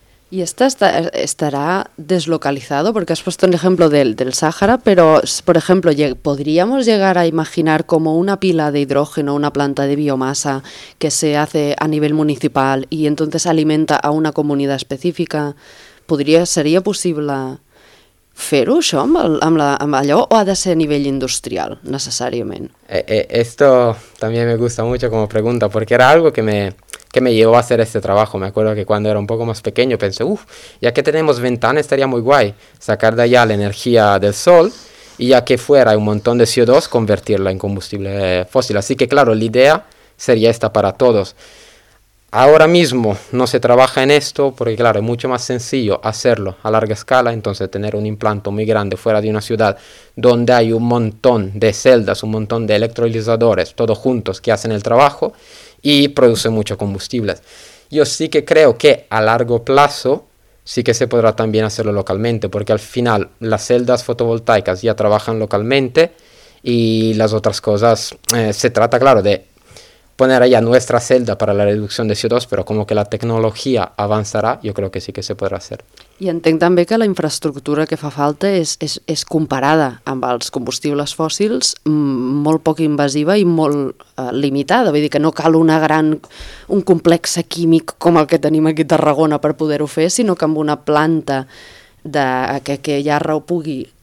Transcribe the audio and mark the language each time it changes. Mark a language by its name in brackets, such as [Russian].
[Spanish] ¿Y esta estará deslocalizado? Porque has puesto el ejemplo del Sáhara, pero, por ejemplo, ¿podríamos llegar a imaginar como una pila de hidrógeno, una planta de biomasa que se hace a nivel municipal y entonces alimenta a una comunidad específica? ¿Sería posible [Catalan] fer-ho, això, amb allò, o ha de ser a nivell industrial, necessàriament? [Spanish] Esto también me gusta mucho como pregunta, porque era algo que me llevó a hacer este trabajo. Me acuerdo que cuando era un poco más pequeño pensé, ya que tenemos ventanas estaría muy guay sacar de allá la energía del sol, y ya que fuera un montón de CO2, convertirla en combustible fósil. Así que claro, la idea sería esta para todos. Ahora mismo no se trabaja en esto porque, claro, es mucho más sencillo hacerlo a larga escala. Entonces, tener un implanto muy grande fuera de una ciudad donde hay un montón de celdas, un montón de electrolizadores, todos juntos que hacen el trabajo y produce mucho combustible. Yo sí que creo que a largo plazo sí que se podrá también hacerlo localmente, porque al final las celdas fotovoltaicas ya trabajan localmente y las otras cosas, se trata, claro, de poner allá nuestra celda para la reducción de CO2, pero como que la tecnología avanzará, yo creo que sí que se podrá hacer. [Catalan] I entenc també que la infraestructura que fa falta és comparada amb els combustibles fòssils, molt poc invasiva i molt limitada, vull dir que no cal un complex químic com el que tenim aquí a Tarragona per poder-ho fer, sinó que amb una planta que ja pugui